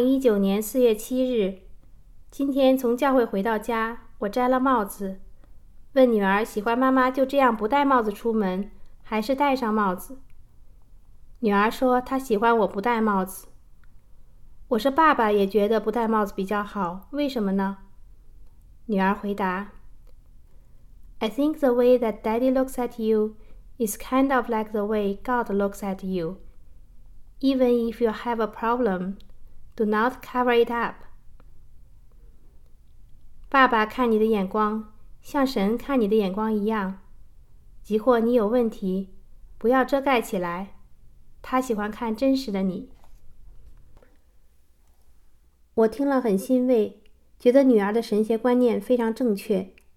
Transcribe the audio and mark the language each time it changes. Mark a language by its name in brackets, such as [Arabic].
[Chinese] 2019年4月7日，今天从教会回到家，我摘了帽子，问女儿喜欢妈妈就这样不戴帽子出门，还是戴上帽子。女儿说她喜欢我不戴帽子。我说爸爸也觉得不戴帽子比较好，为什么呢？女儿回答， [English] I think the way that daddy looks at you is kind of like the way God looks at you. Even if you have a problem, do not cover it up. [Chinese] 爸爸看你的眼光像神看你的眼光一样，即或你有问题不要遮盖起来，他喜欢看真实的你。我听了很欣慰，觉得女儿的神学观念非常正确。